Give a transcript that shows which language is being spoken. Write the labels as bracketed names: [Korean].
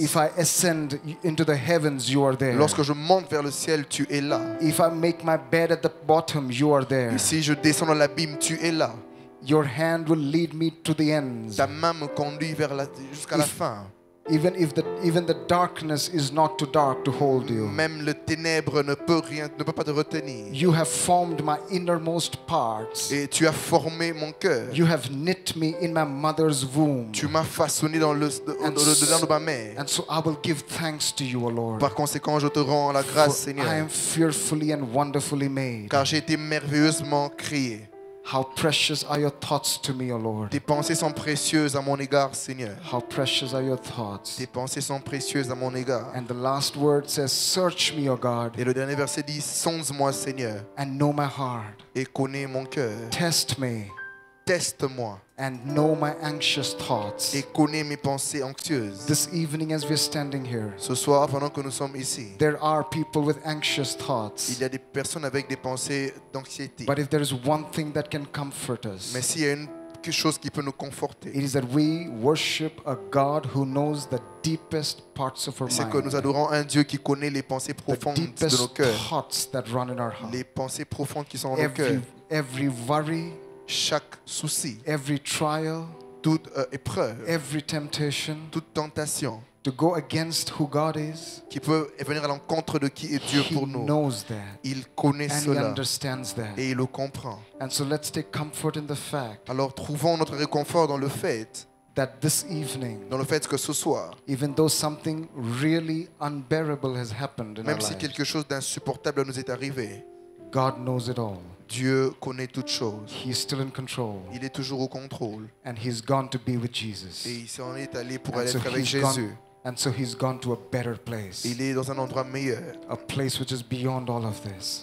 [English] If I ascend into the heavens, you are there. [French] Lorsque je monte vers le ciel, tu es là. [English] If I make my bed at the bottom, you are there. [French] Et si je descends dans l'abîme, tu es là. [English] Your hand will lead me to the ends. [French] Ta main me conduit vers la, jusqu'à la fin. [English] Even the darkness is not too dark to hold you. [French] Même le ténèbre ne peut pas te retenir. [English] You have formed my innermost parts. [French] Et tu as formé mon cœur. [English] You have knit me in my mother's womb. [French] Tu m'as façonné dans le dedans de ma mère. [English] And so I will give thanks to you, O Lord. [French] Par conséquent, je te rends la grâce, [English] For [French] Seigneur. [English] I am fearfully and wonderfully made. [French] Car j'ai été merveilleusement créé. [English] How precious are your thoughts to me, O Lord. [French] Tes pensées sont précieuses à mon égard, Seigneur. [English] How precious are your thoughts. [French] Tes pensées sont précieuses à mon égard. [English] And the last word says, search me, O God. [French] Et le dernier verset dit, sonde-moi, Seigneur. [English] And know my heart. [French] Et connais mon cœur. [English] Test me. [French] Teste-moi. [English] And know my anxious thoughts. [French] Et connais mes pensées anxieuses. [English] This evening, as we're standing here, [French] ce soir, pendant que nous sommes ici, [English] there are people with anxious thoughts. [French] Il y a des personnes avec des pensées d'anxiété. [English] But if there is one thing that can comfort us, [French] mais s'il y a quelque chose qui peut nous conforter, [English] it is that we worship a God who knows the deepest parts of our mind. [French] C'est que nous adorons un Dieu qui connaît les pensées profondes de nos cœurs. [English] The deepest thoughts that run in our heart. [French] Les pensées profondes qui sont dans nos cœurs. [English] Every worry. [French] Chaque souci, [English] every trial, [French] toute épreuve, [English] every temptation, [French] toute tentation, [English] to go against who God is, [French] qui peut venir à l'encontre de qui est Dieu pour nous. [English] He knows that, [French] il connaît [English] and [French] cela, [English] he understands that, [French] et il le comprend. [English] And so let's take comfort in the fact. [French] Alors trouvons notre réconfort dans le fait. [English] That this evening, [French] dans le fait que ce soir, [English] even though something really unbearable has happened in our life, [French] même si quelque chose d'insupportable nous est arrivé, [English] God knows it all. [French] Dieu connaît toutes choses. [English] He is still in control. [French] Il est toujours au contrôle. [English] And he's gone to be with Jesus. [French] Et il s'en est allé pour aller être avec Jésus. [English] And so he's gone to a better place. [French] Il est dans un endroit meilleur. [English] A place which is beyond all of this.